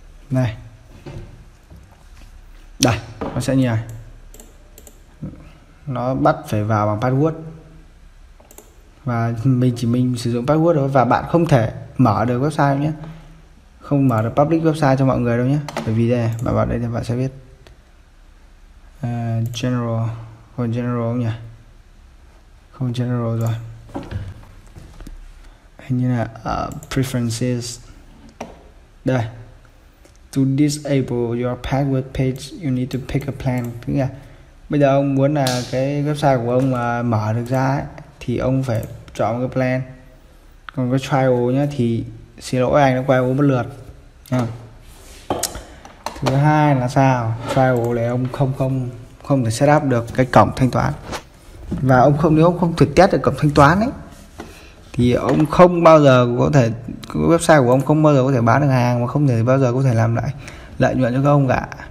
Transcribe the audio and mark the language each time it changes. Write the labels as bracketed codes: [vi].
[vi] Này đây nó sẽ như này, nó bắt phải vào bằng password và mình sử dụng password thôi, và bạn không thể mở được website nhé, không mở được public website cho mọi người đâu nhé. Bởi vì đây bạn vào đây thì bạn sẽ biết general, không general không nhỉ, không general rồi, hình như là preferences. Đây, [en] to disable your password page you need to pick a plan. [vi] Tức là bây giờ ông muốn là cái website của ông mở được ra ấy, thì ông phải chọn cái plan. Còn cái trial nhá thì xin lỗi anh, nó quay uống một lượt. Thứ hai là sao, trial này ông không không không thể setup được cái cổng thanh toán, và ông không, nếu ông không thể test được cổng thanh toán ấy thì ông không bao giờ có thể, cái website của ông không bao giờ có thể bán được hàng, mà không thể bao giờ có thể làm lại lợi nhuận cho các ông cả.